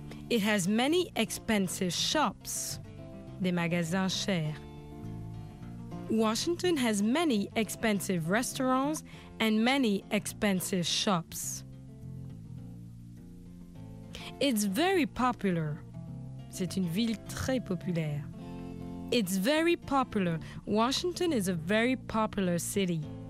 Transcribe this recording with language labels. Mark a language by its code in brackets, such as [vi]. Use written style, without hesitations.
[en] It has many expensive shops, [fr] des magasins chers. [en] Washington has many expensive restaurants and many expensive shops. It's very popular. [fr] C'est une ville très populaire. [en] It's very popular. Washington is a very popular city.